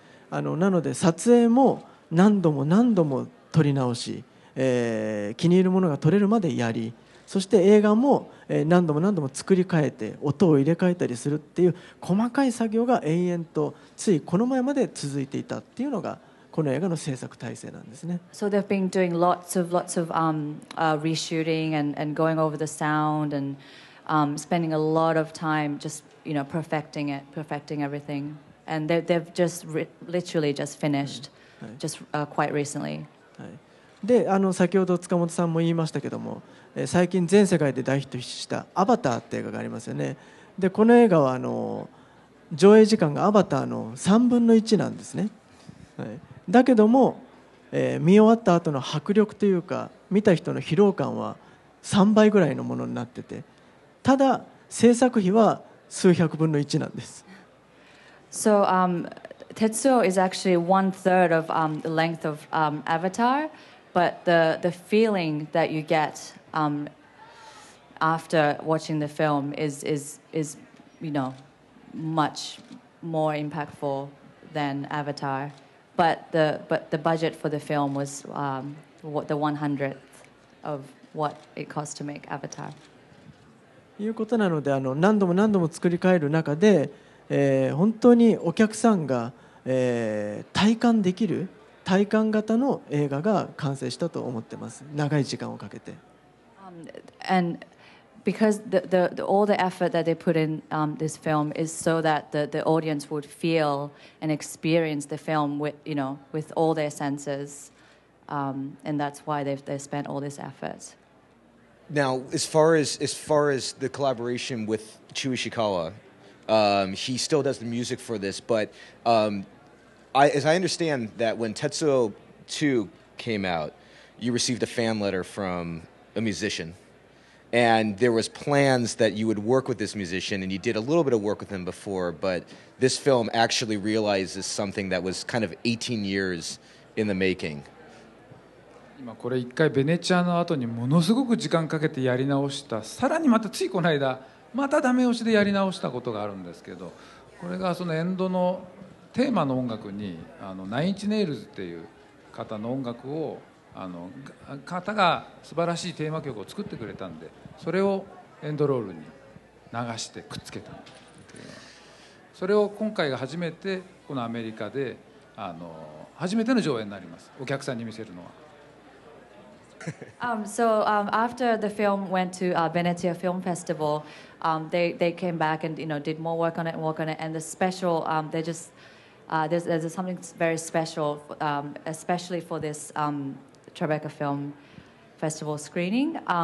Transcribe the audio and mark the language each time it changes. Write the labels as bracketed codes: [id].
[ja] なので撮影も何度も何度も撮り直し、気に入るものが撮れるまでやり、そして映画も、何度も何度も作り変えて音を入れ替えたりするっていう細かい作業が延々とついこの前まで続いていたっていうのがこの映画の制作体制なんですね。 [en] So they've been doing lots of reshooting and going over the sound andspending a lot of time just you know perfecting everything and they've just literally just finished just quite recently. [ja] で先ほど塚本さんも言いましたけども最近全世界で大ヒットしたアバターって映画がありますよね。でこの映画は上映時間がアバターの3分の1なんですね。だけども見終わった後の迫力というか見た人の疲労感は3倍ぐらいのものになってて、ただ制作費は数百分の一なんです。 [en] So, Tetsuo is actually one third of the length of Avatar, but the feeling that you get after watching the film is you know much more impactful than Avatar. But the budget for the film was the 100th of what it cost to make Avatar. [ja] いうことなので何度も何度も作り変える中で、本当にお客さんが、体感できる体感型の映画が完成したと思ってます。長い時間をかけて、 [en] and because the all the effort that they put in this film is so that the audience would feel and experience the film with you know with all their senses and that's why they spent all this effort Now, as far as the collaboration with Chu Ishikawa, he still does the music for this. But I understand that when Tetsuo 2 came out, you received a fan letter from a musician. And there was plans that you would work with this musician, and you did a little bit of work with him before. But this film actually realizes something that was kind of 18 years in the making. [ja] 今これ一回ベネチアの後にものすごく時間かけてやり直した、さらにまたついこの間またダメ押しでやり直したことがあるんですけど、これがそのエンドのテーマの音楽にナインチネイルズっていう方の音楽を方が素晴らしいテーマ曲を作ってくれたんで、それをエンドロールに流してくっつけたっていう、それを今回が初めてこのアメリカで初めての上映になります。お客さんに見せるのは [en] So after the film went to Venezia Film Festival, they came back and you know did more work on it and work on it. And the special, they just there's something very special, especially for this Tribeca Film Festival screening.